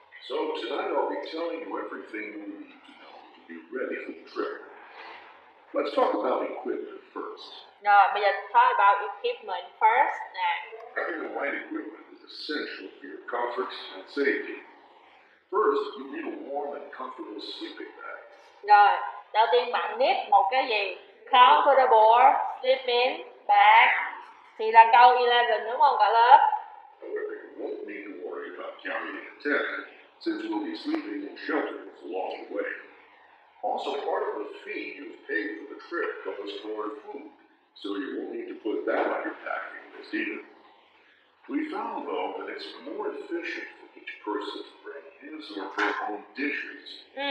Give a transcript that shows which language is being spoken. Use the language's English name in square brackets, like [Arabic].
[English] So tonight I'll be telling you everything you need to know to be ready for the trip. Let's talk about equipment first. No, but let's talk about equipment first, then. Having the right equipment is essential for your comfort and safety. First, you need a warm and comfortable sleeping bag. [Vietnamese] Rồi, đầu tiên bạn need một cái gì? [English] Comfortable sleeping bag. [Vietnamese] Thì là câu 11 đúng không cả lớp? [English] However, you won't need to worry about carrying a tent, since we'll be sleeping in shelters along the way. Also, part of the fee you've paid for the trip goes toward food, so you won't need to put that on your packing list either. We found, though, that it's more efficient for each person to bring his or her own dishes.